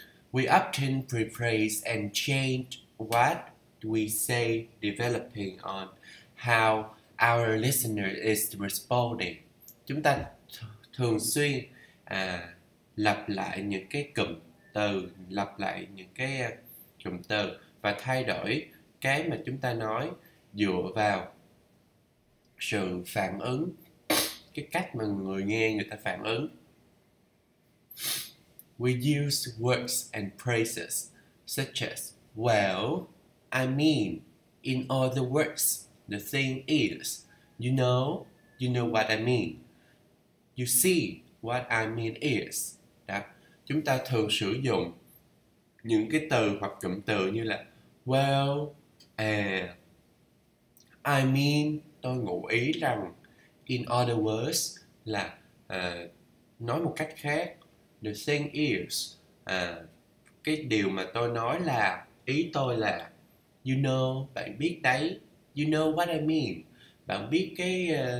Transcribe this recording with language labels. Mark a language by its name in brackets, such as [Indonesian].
[English] We often rephrase and change what we say, developing on how our listener is responding. [Vietnamese] Chúng ta thường xuyên lặp lại những cái cụm từ, lặp lại những cái cụm từ và thay đổi cái mà chúng ta nói dựa vào sự phản ứng, cái cách mà người nghe người ta phản ứng. [English] We use words and phrases such as well, I mean, in other words, the thing is, you know what I mean, you see what I mean is. [Vietnamese] Đó. Chúng ta thường sử dụng những cái từ hoặc cụm từ như là [English] well, I mean, [Vietnamese] tôi ngụ ý rằng, [English] in other words, [Vietnamese] là nói một cách khác, [English] the thing is, [Vietnamese] cái điều mà tôi nói là, ý tôi là, [English] you know, [Vietnamese] bạn biết đấy, [English] you know what I mean, [Vietnamese] bạn biết cái,